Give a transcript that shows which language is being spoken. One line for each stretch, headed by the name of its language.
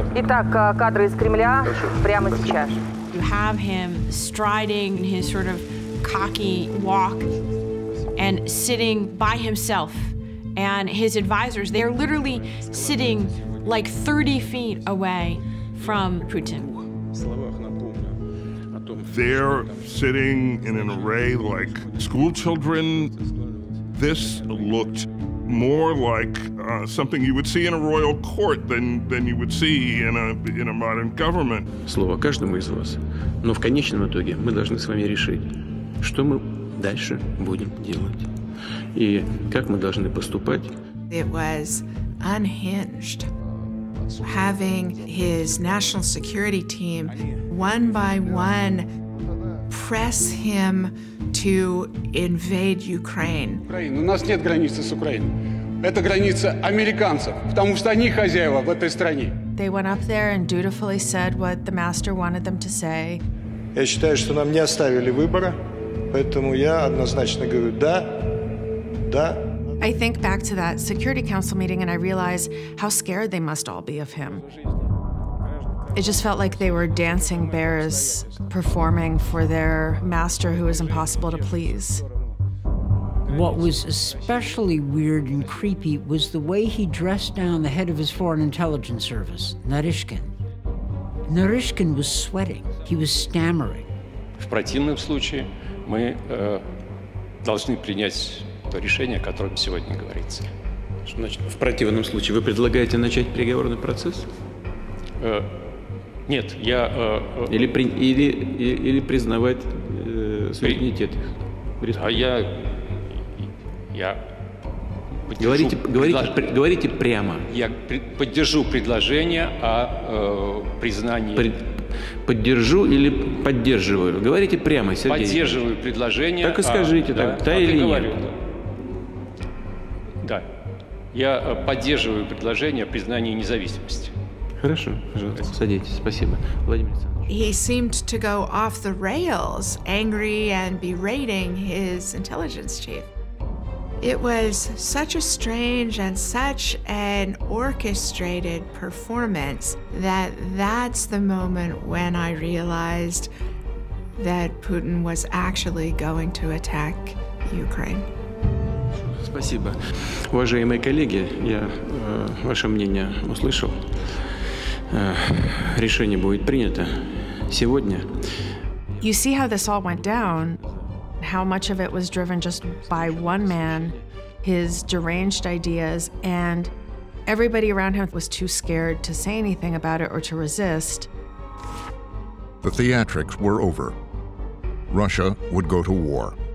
Russian: Итак, кадры из Кремля прямо сейчас.
English: You have him striding in his sort of cocky walk and sitting by himself. And his advisors, they're literally sitting like 30 feet away from Putin. They're sitting in an array like school children. This looked more like something you would see in a royal court than you would see in a modern government.
Russian: Слово каждому из вас. Но в конечном итоге мы должны с вами решить, что мы дальше будем делать и как мы должны поступать.
English: It was unhinged. Having his national security team one by one press him to invade Ukraine.
Russian: У нас нет границы с Украиной. Это граница американцев, потому что они хозяева в этой стране.
English: They went up there and dutifully said what the master wanted them to say.
Russian: Я считаю, что нам не оставили выбора, поэтому я однозначно говорю да, да.
English: I think back to that Security Council meeting and I realize how scared they must all be of him. It just felt like they were dancing bears performing for their master who was impossible to please. What was especially weird and creepy was the way he dressed down the head of his foreign intelligence service, Narishkin. Narishkin was sweating. He was stammering.
Russian: В противном случае мы должны принять решение, о котором сегодня говорится. Что значит, в противном случае вы предлагаете начать переговорный процесс? Нет, я... Или признавать суверенитет их? А я... Говорите прямо. Я поддержу предложение о признании... Поддержу или поддерживаю? Говорите прямо, Сергей. Поддерживаю предложение... Так и скажите, а, так, да, да или нет. Да. Я поддерживаю предложение о признании независимости. Хорошо, пожалуйста, садитесь. Спасибо. Владимир Александрович.
English: He seemed to go off the rails, angry and berating his intelligence chief. It was such a strange and such an orchestrated performance that that's the moment when I realized that Putin was actually going to attack Ukraine.
Russian: Спасибо. Уважаемые коллеги, я ваше мнение услышал. Решение будет принято сегодня.
English: You see how this all went down, how much of it was driven just by one man, his deranged ideas, and everybody around him was too scared to say anything about it or to resist. The theatrics were over. Russia would go to war.